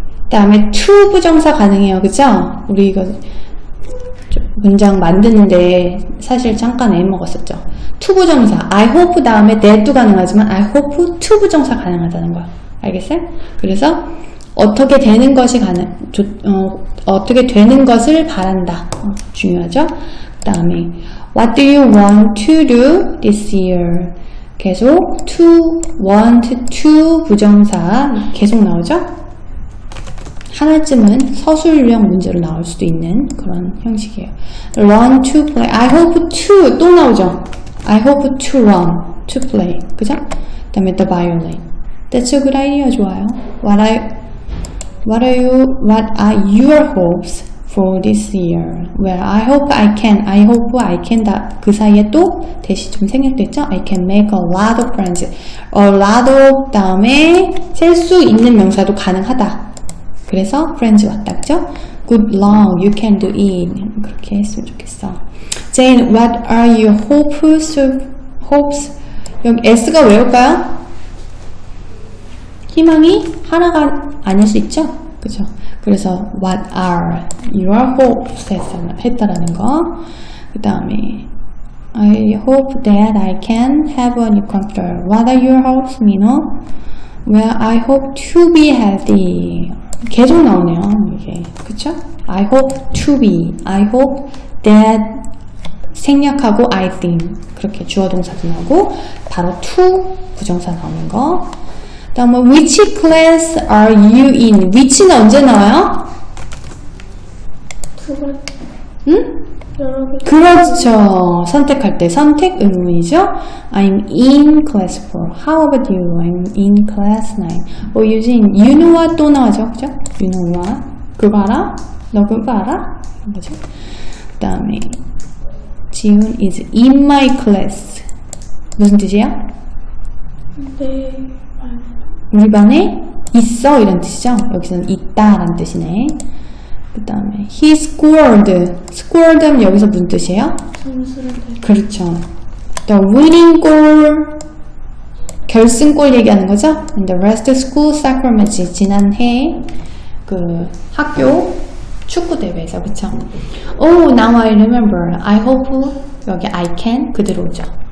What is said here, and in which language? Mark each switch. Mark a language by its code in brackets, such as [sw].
[ko] 다음에 to 부정사 가능해요. 그죠? 우리 이거 문장 만드는데 사실 잠깐 애 먹었었죠. to 부정사. I hope 다음에 that도 가능하지만 [en] I hope to [ko] 부정사 가능하다는 거야. 알겠어요? 그래서 어떻게 되는 것이 가능, 어떻게 되는 것을 바란다. 중요하죠? 그 다음에 [en] What do you want to do this year? [ko] 계속 to, want to 부정사 계속 나오죠? 하나쯤은 서술형 문제로 나올 수도 있는 그런 형식이에요. [en] Run to play. I hope to [ko] 또 나오죠? [en] I hope to run to play. [ko] 그죠? 그 다음에 the violin. [en] That's a good idea. [ko] 좋아요. [en] What are your hopes for this year? Well, I hope I can. I hope I can. [ko] 그 사이에 또 대시 좀 생략됐죠? [en] I can make a lot of friends. [ko] A lot of 다음에 셀 수 있는 명사도 가능하다. 그래서 friends 왔다. [en] 그죠? Good long. You can do it. [ko] 그렇게 했으면 좋겠어. [en] Jane, what are your hopes? [ko] Hopes? 여기 S가 왜 올까요? 희망이 하나가 아닐 수 있죠? 그죠? 그래서 [en] what are your hopes [ko] 했다라는 거. 그 다음에 [en] I hope that I can have a new computer. What are your hopes, Mino? Well, I hope to be healthy. [ko] 계속 나오네요, 이게. 그쵸? [en] I hope to be. [ko] I hope that 생략하고 I think. 그렇게 주어동사도 나오고 바로 to 부정사 나오는 거. [en] 다음 which class are you in? [ko] Which는 언제 나와요? 그렇죠. 선택할 때 선택 의문이죠. [en] I'm in class 4. How about you? I'm in class 9. Or using you know what [ko] 또 나와죠. 그죠? [en] You know what? [ko] 그거 알아? 너 그거 알아? 그죠? [en] 다음에 지훈 is in my class. [ko] 무슨 뜻이에요? 네. 우리 반에 있어 이런 뜻이죠. 여기서는 있다라는 뜻이네. 그 다음에 he scored. scored 하면 여기서 무슨 뜻이에요? 점수를 내. 그렇죠. [en] the winning goal [ko] 결승골 얘기하는 거죠. [en] and the rest school soccer match [ko] 지난해 그 학교 축구 대회에서 그렇죠. [en] oh now I remember. I hope [ko] 여기 [en] I can [ko] 그대로 오죠.